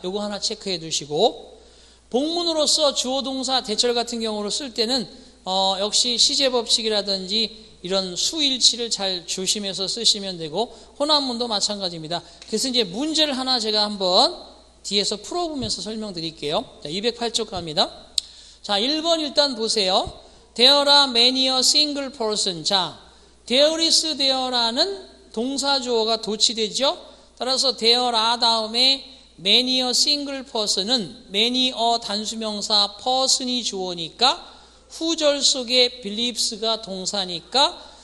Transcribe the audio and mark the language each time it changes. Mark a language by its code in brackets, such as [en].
[ko] 요거 하나 체크해 두시고 복문으로서 주어 동사 대절 같은 경우를 쓸 때는 역시 시제 법칙이라든지 이런 수일치를 잘 조심해서 쓰시면 되고 혼합문도 마찬가지입니다. 그래서 이제 문제를 하나 제가 한번 뒤에서 풀어보면서 설명드릴게요. 자, 208쪽 갑니다. 자, 1번 일단 보세요. [en] There are many a single person. [ko] 자, there is there라는 동사 주어가 도치되죠. 따라서 there are 다음에 many a single person은 many a 단수명사 person이 주어니까 후절 속에 believes가 동사니까